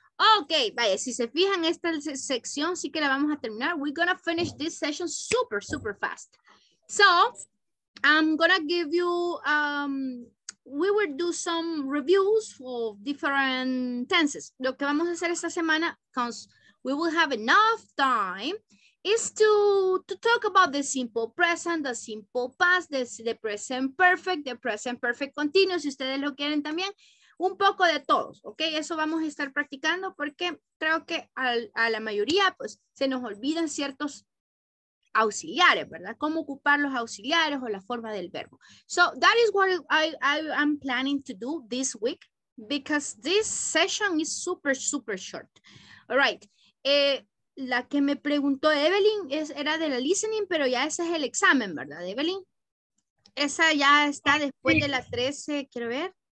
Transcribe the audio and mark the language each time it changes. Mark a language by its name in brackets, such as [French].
[Spanish] Ok, vaya, si se fijan, esta sección sí que la vamos a terminar. [English] We're gonna finish this session super, super fast. So, I'm gonna give you, we will do some reviews of different tenses. [Spanish] Lo que vamos a hacer esta semana, [English] because we will have enough time, is to talk about the simple present, the simple past, the present perfect, the present perfect continuous, [Spanish] si ustedes lo quieren también. Un poco de todos, ¿ok? Eso vamos a estar practicando porque creo que a la mayoría pues, se nos olvidan ciertos auxiliares, ¿verdad? Cómo ocupar los auxiliares o la forma del verbo. [English] So that is what I'm planning to do this week because this session is super, super short. All right. [Spanish] La que me preguntó Evelyn era de la listening, pero ya ese es el examen, ¿verdad, Evelyn? Esa ya está después de la 13, quiero ver.